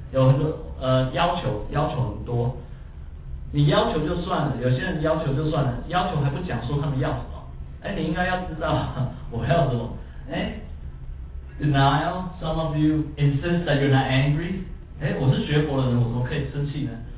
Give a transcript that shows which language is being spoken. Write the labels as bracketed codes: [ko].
[zh] 有很多要求很多，你要求就算了，有些人要求就算了，要求还不讲说他们要什么。哎，你应该要知道我要什么。 [en] 哎 ，denial. Some of you insist that you're not angry. [zh] 哎，我是学佛的人，我怎么可以生气呢？